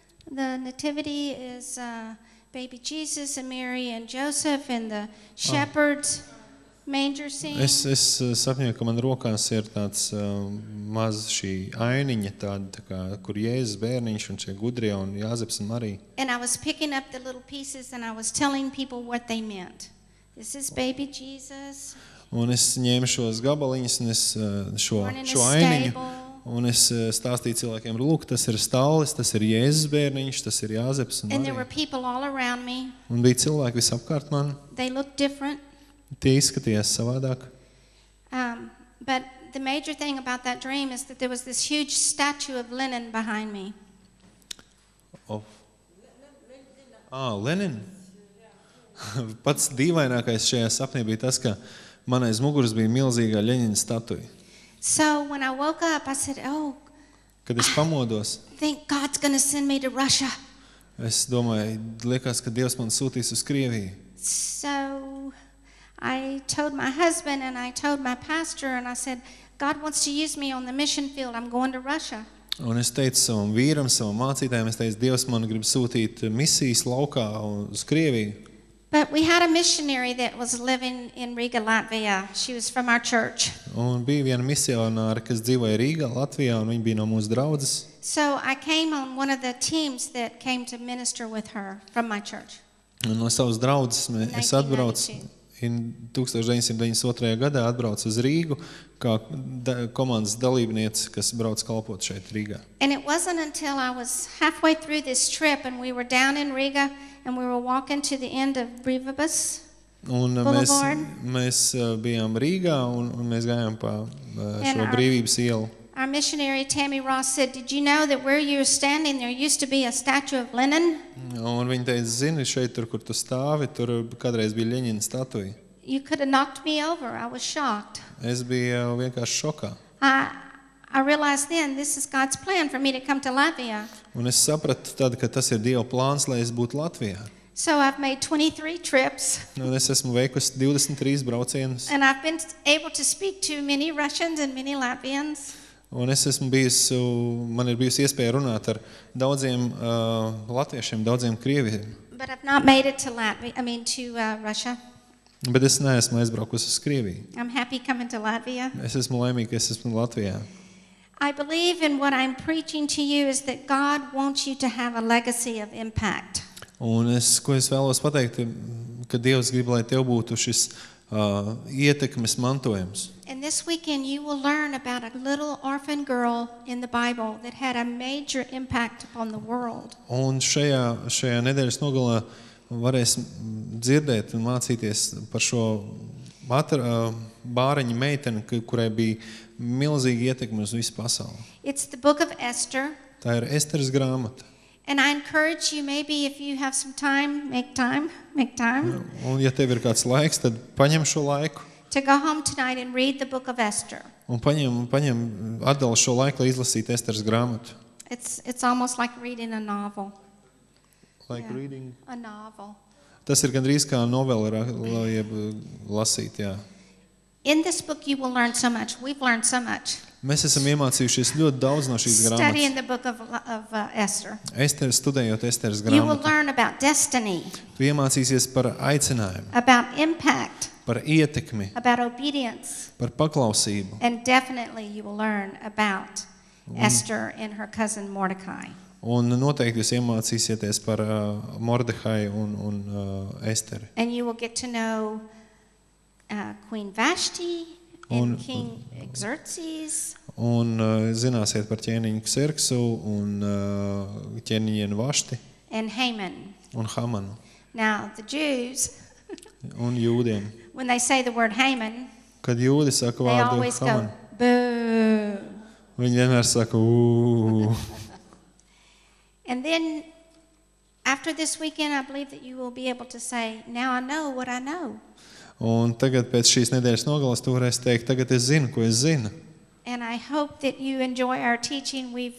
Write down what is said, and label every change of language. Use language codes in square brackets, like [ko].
[en] The nativity is baby Jesus and Mary and Joseph and the shepherds. Manger scene. [lv] Es sapņoju, ka man rokās ir tāds maz šī ainiņa, tā kā, kur Jēzus bērniņš un šie gudrie un Jāzeps un Marija. [en] And I was picking up the little pieces and I was telling people what they meant. This is baby Jesus. [lv] Un es ņēmu šos gabaliņus un es šo ainiņu. Un es stāstīju cilvēkiem, lūk, tas ir stallis, tas ir Jēzus bērniņš, tas ir Jāzeps un Marija. [en] And there were people all around me. [lv] Un bija cilvēki visapkārt man. [en] They looked different. [lv] Tie izskatījās savādāk. [en] But the major thing about that dream is that there was this huge statue of Lenin behind me. Lenin. [lv] Pats dīvainākais šajā sapnī bija tas, ka man aiz muguras bija milzīgā Lenina statuja. [en] So when I woke up, I said, "Oh." [lv] Kad es pamodos. [en] Think God's gonna send me to Russia. [lv] Es domāju, liekas, ka Dievs man sūtīs uz Krieviju. [en] So I told my husband and I told my pastor and I said, God wants to use me on the mission field. I'm going to Russia. [lv] Un es teicu savam vīram, savam mācītājam, es teicu, Dievs man grib sūtīt misijas laukā uz Krieviju. [en] But we had a missionary that was living in Riga, Latvia. She was from our church. [lv] Un bija viena misionāra, kas dzīvoja Rīgā, Latvijā, un viņa bija no mūsu draudzes. [en] So I came on one of the teams that came to minister with her from my church. [lv] Un no savas draudzes es atbraucu. [en] In 1992. [lv] Gadā atbrauc uz Rīgu kā komandas dalībniece, kas brauc kalpot šeit Rīgā. [en] And it wasn't until I was halfway through this trip and we were down in Riga and we were walking to the end of Brīvabas Boulevard. [lv] Mēs bijām Rīgā un mēs gājām pa šo Brīvības ielu. [en] Our missionary Tammy Ross said, "Did you know that where you're standing there used to be a statue of Lenin?" [lv] Un viņa teica, "Zini, šeit tur, kur tu stāvi, tur kādreiz bija Ļeņina statuja." [en] You could have knocked me over. I was shocked. [lv] Es biju vienkārši šokā. [en] I realized then this is God's plan for me to come to Latvia. [lv] Un es sapratu tad, ka tas ir Dieva plāns, lai es būtu Latvijā. [en] So I've made 23 trips. [lv] Nu, es esmu veikusi 23 braucienus. [en] And I've been able to speak to many Russians and many Latvians. [lv] Un es esmu bijis, man ir bijusi iespēja runāt ar daudziem latviešiem, daudziem krieviem. [en] But I've not made it to Latvia, I mean to Russia. [lv] Bet es neesmu aizbraukusi uz Krieviju. [en] I'm happy coming to Latvia. [lv] Es esmu laimīga, es esmu Latvijā. [en] I believe in what I'm preaching to you is that God wants you to have a legacy of impact. [lv] Un es, ko es vēlos pateikt, ka Dievs grib, lai tev būtu šis ietekmes mantojums. [en] And this weekend you will learn about a little orphan girl in the Bible that had a major impact upon the world. [lv] Un šajā nedēļas nogalā varēs dzirdēt un mācīties par šo bāriņu meiteni, kurai bija milzīga ietekme uz visu pasauli. [en] It's the book of Esther. [lv] Tā ir Esteras grāmata. [en] And I encourage you, maybe if you have some time, make time. [lv] Un ja tev ir kāds laiks, tad paņem šo laiku. [en] To go home tonight and read the book of Esther. [lv] Un paņem atdali šo laiku, lai izlasītu Esteras grāmatu. [en] It's almost like reading a novel. Reading a novel. [lv] Tas ir gandrīz kā novela, lai lasīt, jā. [en] In this book you will learn so much. We've learned so much. [lv] Mēs esam iemācījušies ļoti daudz no šīs grāmatas. [en] Study in the book of Esther. [lv] Esteras, studējot Esteras grāmatu. [en] You will learn about destiny. [lv] Tu iemācīsies par aicinājumu. [en] About impact. [lv] Par ietekmi. [en] About obedience. [lv] Par paklausību. [en] And definitely you will learn about Esther and her cousin Mordecai. [lv] Un noteikti jūs iemācīsieties par Mordehai un Esteri. [en] And you will get to know Queen Vashti. And King Xerxes. [lv] Un zināsiet par ķēniņu Xerxu un ķēniņu Vašti. [en] And Haman. [lv] Un Hamanu. [en] Now the Jews. [lv] Un jūdiem. [en] When they say the word Haman. [lv] Kad jūdi saka vārdu Haman. [en] They always go boo. [lv] Viņi vienmēr saka ūū. [en] And then after this weekend I believe that you will be able to say now I know what I know. [lv] Un tagad pēc šīs nedēļas nogalas tu varēsi teikt, tagad es zinu, ko es zinu. [en] And I hope that you enjoy our teaching.